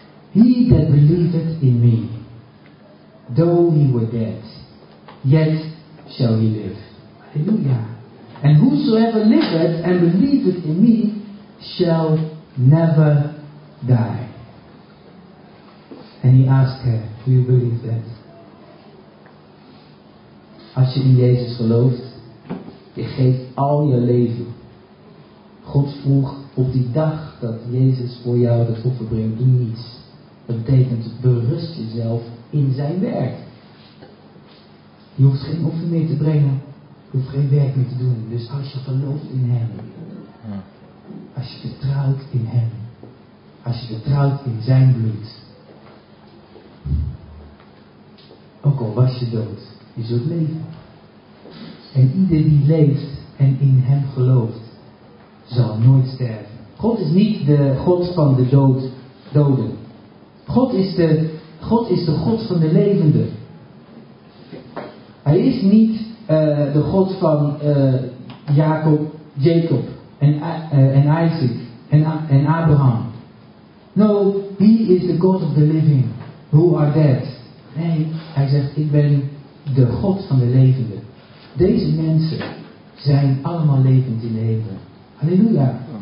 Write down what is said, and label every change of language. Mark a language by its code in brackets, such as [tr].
[en] He that believeth in me, though he were dead, yet shall he live. Hallelujah. And whosoever liveth and believeth in me shall never die. And he asked her, do you believe that? [nl] Als je in Jezus gelooft, je geeft al je leven. God vroeg op die dag dat Jezus voor jou de offer brengt, doe niets. Dat betekent, berust jezelf in zijn werk. Je hoeft geen offer meer te brengen, je hoeft geen werk meer te doen. Dus als je gelooft in hem, als je vertrouwt in hem, als je vertrouwt in zijn bloed, ook al was je dood, je zult leven. En ieder die leeft en in hem gelooft, zal nooit sterven. God is niet de God van de doden. God is de God van de levenden. Hij is niet de God van Jacob en Isaac en Abraham. [en] No, he is the God of the living. Who are dead? [nl] Nee, hij zegt, ik ben de God van de levenden. Deze mensen zijn allemaal levend in de hemel. Halleluja.